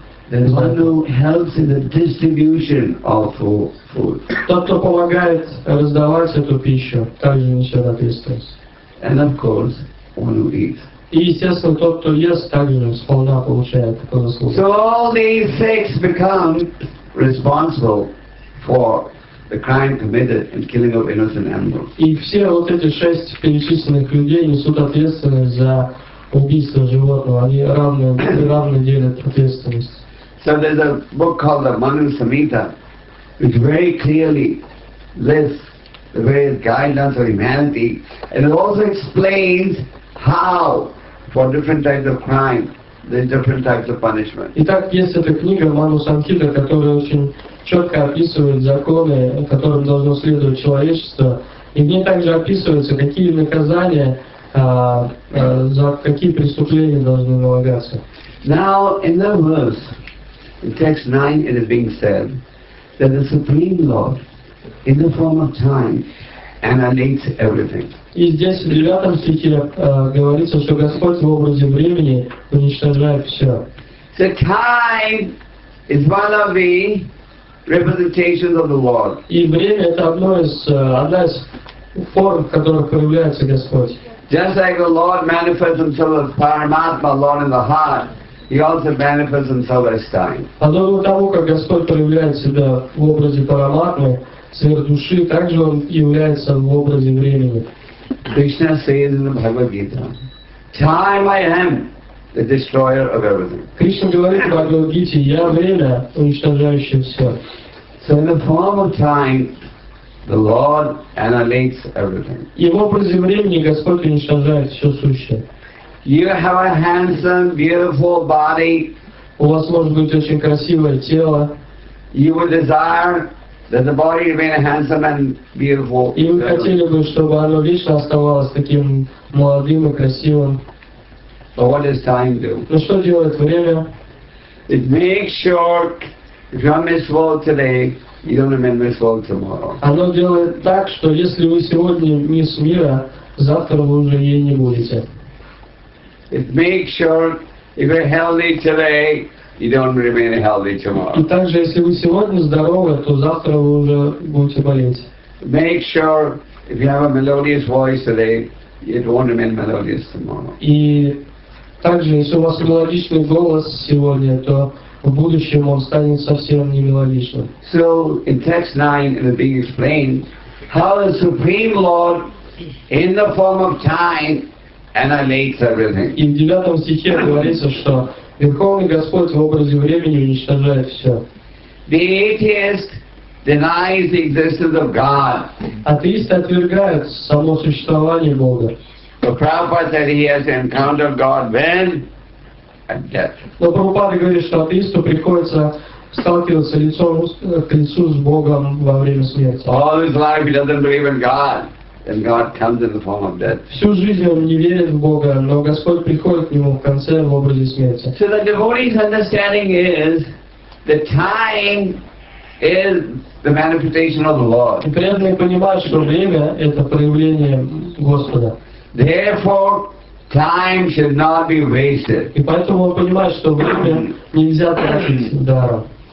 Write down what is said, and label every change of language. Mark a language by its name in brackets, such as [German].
[English] Then one who helps in the distribution of food. [Russian] Тот, кто помогает раздавать эту пищу, также несет ответственность. [English] And of course, one who eats. [Russian] И естественно тот, кто ест, также сполна получает благословение. [English] So all these six become responsible for the crime committed and killing of innocent animals. [Russian] И все вот эти шесть перечисленных людей несут ответственность за убийство животного. Они равны делят ответственность. [English] So there's a book called the Manu Samhita, which very clearly lists the various guidelines of humanity, and it also explains how, for different types of crime, there's different types of punishment. [Russian] Итак, есть эта книга Ману Самхита, которая очень четко описывает законы, которым должно следовать человечество, и в ней также описывается, какие наказания за какие преступления должны налагаться. [English] Now, in that verse, in text 9, it is being said that the Supreme Lord, in the form of time, annihilates everything. [Russian] И здесь в 9 стихе говорится, что Господь в образе времени уничтожает все. [English] So time is one of the representations of the Lord. [Russian] И время это одна из форм, в которых проявляется Господь. [English] Just like the Lord manifests Himself as Paramatma, Lord in the heart, He also manifests Himself as time. [Russian] Подобно тому, как Господь проявляет себя в образе Параматмы, сверх души, также Он является в образе времени. [English] Krishna says in the Bhagavad Gita, time I am, the destroyer of everything. [Russian] Кришна говорит в Бхагавад Гите, я время, уничтожающее все. [English] So in the form of time, the Lord annihilates everything. [Russian] И в образе времени Господь уничтожает все сущее. [English] You have a handsome, beautiful body. [Russian] У вас может быть очень красивое тело. [English] You would desire that the body remain handsome and beautiful. [Russian] И вы хотели бы, чтобы оно вечно оставалось таким молодым и красивым. [English] But what does time do? [Russian] Но что делает время? [English] It makes sure if you're miserable today, you don't remain miserable tomorrow. [Russian] Оно делает так, что если вы сегодня мисс мира, завтра вы уже ей не будете. [English] It makes sure if you're healthy today, you don't remain healthy tomorrow. [Russian] И также, если вы сегодня здоровы, то завтра вы уже будете болеть. [English] Make sure if you have a melodious voice today, it won't remain melodious tomorrow. [Russian] И также, если у вас мелодичный голос сегодня, то в будущем он станет совсем не мелодичным. [English] So in text 9, it is being explained how the Supreme Lord, in the form of time, annihilates everything. [Russian] И в 9 стихе говорится, что Верховный Господь в образе времени уничтожает все. [English] The atheist denies the existence of God. [Russian] Атеист отвергает само существование Бога. [English] The Prabhupada said he has encountered God when? At death. [Russian] Но Прабхупада говорит, что атеисту приходится сталкиваться лицом к лицу с Богом во время смерти. [English] All his life he doesn't believe in God. And God comes in the form of death. [Russian] Всю жизнь он не верит в Бога, но Господь приходит к нему в конце в образе смерти. [English] So the devotee's understanding is that time is the manifestation of the Lord. [Russian] И преданный понимает, что время это проявление Господа. [English] Therefore, time should not be wasted. [Russian] И поэтому он понимает, что время нельзя тратить даром.